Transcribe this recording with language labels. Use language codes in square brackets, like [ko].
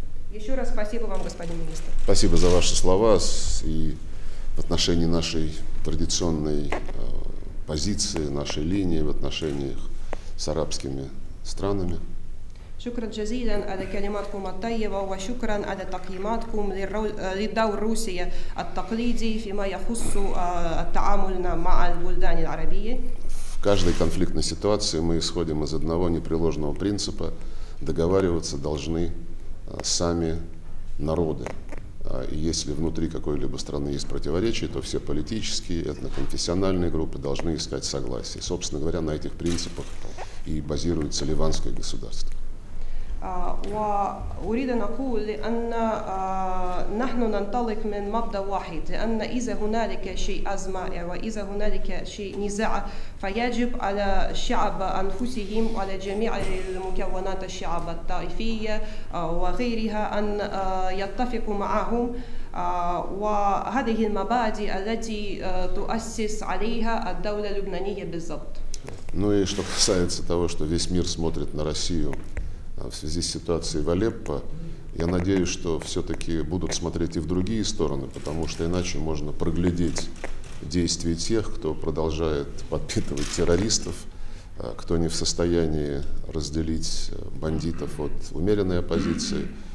[ru] Еще раз спасибо вам, господин министр. Спасибо за ваши слова и в отношении нашей традиционной позиции, нашей линии в отношениях с арабскими странами. [ar] شكرا جزيلا على كلماتكم الطيبة وشكرا على تقييماتكم للدور الروسي التقليدي فيما يخص تعاملنا مع البلدان العربية. [ru] В каждой конфликтной ситуации мы исходим из одного непреложного принципа: договариваться должны сами народы. И если внутри какой-либо страны есть противоречия, то все политические, этноконфессиональные группы должны искать согласие. Собственно говоря, на этих принципах и базируется ливанское государство. [ar] وأريد أن أقول لأن نحن ننطلق من مبدأ واحد لأن إذا هنالك شيء أزمة وإذا هنالك شيء نزاع فيجب على الشعب أنفسهم وعلى جميع المكونات الشعب الطائفية وغيرها أن يتفقوا معهم وهذه المبادئ التي تؤسس عليها الدولة اللبنانية بالضبط. [ru] Ну и что касается того, что весь мир смотрит на Россию. В связи с ситуацией в Алеппо, я надеюсь, что все-таки будут смотреть и в другие стороны, потому что иначе можно проглядеть действия тех, кто продолжает подпитывать террористов, кто не в состоянии разделить бандитов от умеренной оппозиции.